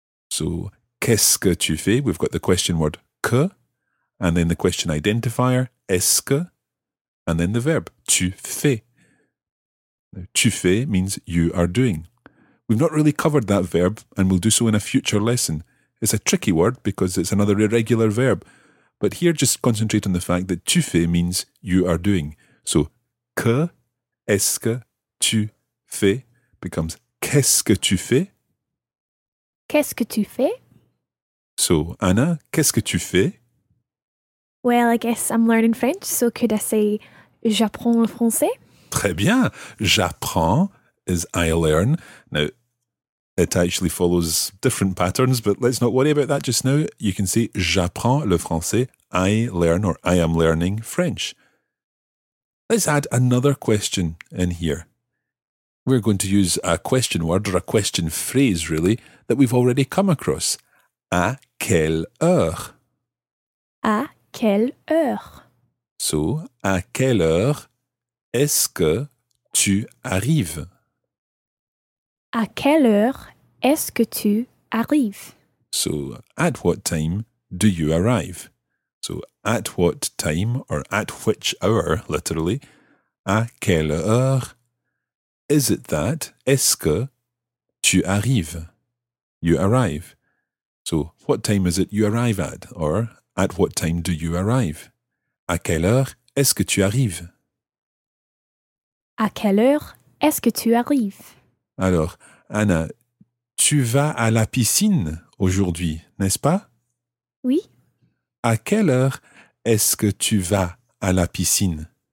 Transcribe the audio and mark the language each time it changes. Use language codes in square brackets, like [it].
[en] So, qu' [fr] est-ce que tu fais, [en] we've got the question word, que, and then the question identifier, est-ce que, and then the verb, tu fais. Now, [fr] tu fais [en] means you are doing. We've not really covered that verb, and we'll do so in a future lesson. It's a tricky word because it's another irregular verb. But here, just concentrate on the fact that [fr] tu fais [en] means you are doing. So, [fr] que est-ce que tu fais [en] becomes [fr] qu'est-ce que tu fais? Qu'est-ce que tu fais? So, Anna, qu'est-ce que tu fais? [en] Well, I guess I'm learning French, so could I say [fr] j'apprends le français? Très bien. J'apprends [en] is I learn. Now, it actually follows different patterns, but let's not worry about that just now. You can say [fr] j'apprends le français, [en] I learn, or I am learning French. Let's add another question in here. We're going to use a question word, or a question phrase, really, that we've already come across. [fr] À quelle heure? À quelle heure? So, à quelle heure est-ce que tu arrives? À quelle heure est-ce que tu arrives? [en] So, at what time do you arrive? So, at what time or at which hour, literally, [fr] à quelle heure [en] is it that, [fr] est-ce que tu arrives? [en] You arrive. So, what time is it you arrive at? Or, at what time do you arrive? [fr] À quelle heure est-ce que tu arrives? À quelle heure est-ce que tu arrives? Alors, Anna, tu vas à la piscine aujourd'hui, n'est-ce pas? Oui. À quelle heure est-ce que tu vas à la piscine?